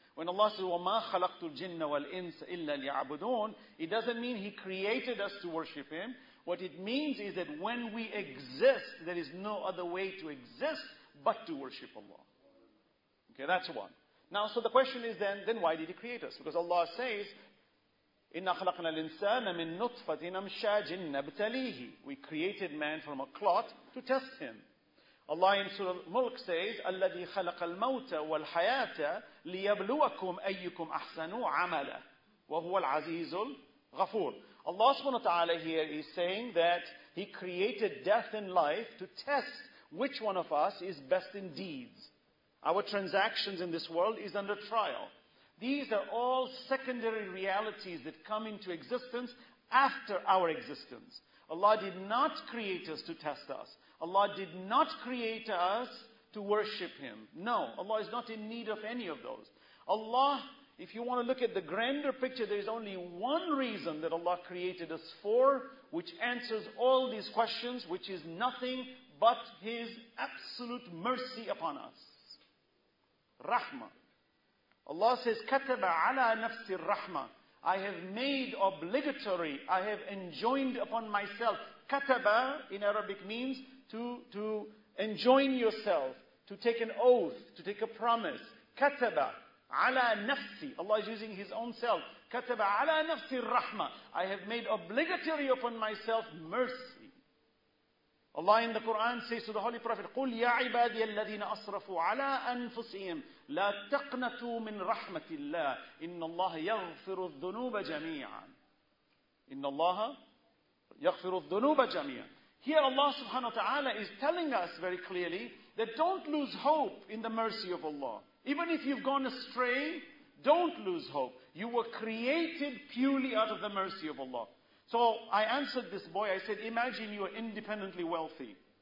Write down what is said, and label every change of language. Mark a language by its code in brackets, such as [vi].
[en] When Allah says, [ar] وَمَا خَلَقْتُ الْجِنَّ وَالْإِنْسِ إِلَّا لِيَعْبُدُونَ, [en] it doesn't mean He created us to worship Him. What it means is that when we exist, there is no other way to exist but to worship Allah. Okay, that's one. Now, so the question is then why did He create us? Because Allah says, [ar] إِنَّا خَلَقْنَا الْإِنسَانَ مِن نُطْفَةٍ أَمْشَاجٍ نَبْتَلِيهِ. [en] We created man from a clot to test him. Allah in Surah Al-Mulk says, [ar] أَلَّذِي خَلَقَ الْمَوْتَ وَالْحَيَاةَ لِيَبْلُوَكُمْ أَيُّكُمْ أَحْسَنُوا عَمَلًا وَهُوَ الْعَزِيزُ الْغَفُورُ. [en] Allah subhanahu wa ta'ala here is saying that He created death and life to test which one of us is best in deeds. Our transactions in this world is under trial. These are all secondary realities that come into existence after our existence. Allah did not create us to test us. Allah did not create us to worship Him. No, Allah is not in need of any of those. Allah, if you want to look at the grander picture, there is only one reason that Allah created us for, which answers all these questions, which is nothing but His absolute mercy upon us. Rahmah. Allah says, [ar] كَتَبَ عَلَىٰ نَفْسِ الرَّحْمَةِ. [en] I have made obligatory, I have enjoined upon myself. كَتَبَ in Arabic means to enjoin yourself, to take an oath, to take a promise. [ar] كَتَبَ عَلَىٰ نَفْسِ. [en] Allah is using His own self. [ar] كَتَبَ عَلَىٰ نَفْسِ الرَّحْمَةِ. [en] I have made obligatory upon myself mercy. Allah in the Quran says to the Holy Prophet, [ar] قُلْ يَا عِبَادِيَ الَّذِينَ أَصْرَفُوا عَلَىٰ أَنفُسِهِمْ لَا تَقْنَتُوا مِنْ رَحْمَةِ اللَّهِ إِنَّ اللَّهَ يَغْفِرُ الذُّنُوبَ جَمِيعًا. إِنَّ اللَّهَ يَغْفِرُ الذُّنُوبَ جَمِيعًا. [en] Here Allah subhanahu wa ta'ala is telling us very clearly that don't lose hope in the mercy of Allah. Even if you've gone astray, don't lose hope. You were created purely out of the mercy of Allah. So I answered this boy, I said, imagine you are independently wealthy.